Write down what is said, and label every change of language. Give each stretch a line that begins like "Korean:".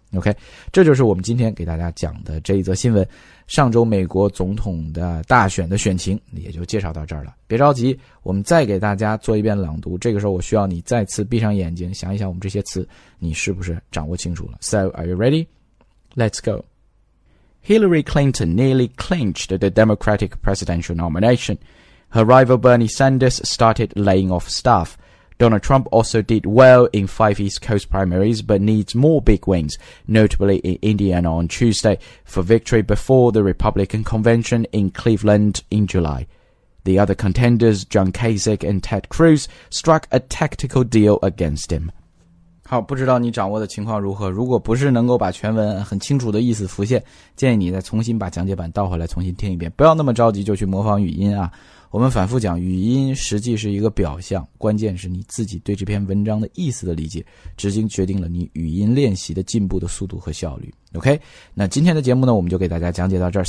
Chinese: OK, 这就是我们今天给大家讲的这一则新闻。上周美国总统的大选的选情也就介绍到这儿了。别着急我们再给大家做一遍朗读这个时候我需要你再次闭上眼睛想一想我们这些词你是不是掌握清楚了。
English: So, are you ready? Let's go. Hillary Clinton nearly clinched the Democratic presidential nomination. Her rival Bernie Sanders started laying off staff. Donald Trump also did well in five East Coast primaries but needs more big wins, notably in Indiana on Tuesday, for victory before the Republican convention in Cleveland in July. The other contenders, John Kasich and Ted Cruz, struck a tactical deal against him.
Chinese: 好，不知道你掌握的情况如何，如果不是能够把全文很清楚的意思浮现，建议你再重新把讲解版倒回来重新听一遍，不要那么着急就去模仿语音啊。我们反复讲语音实际是一个表象关键是你自己对这篇文章的意思的理解直接决定了你语音练习的进步的速度和效率。OK? 那今天的节目呢我们就给大家讲解到这儿。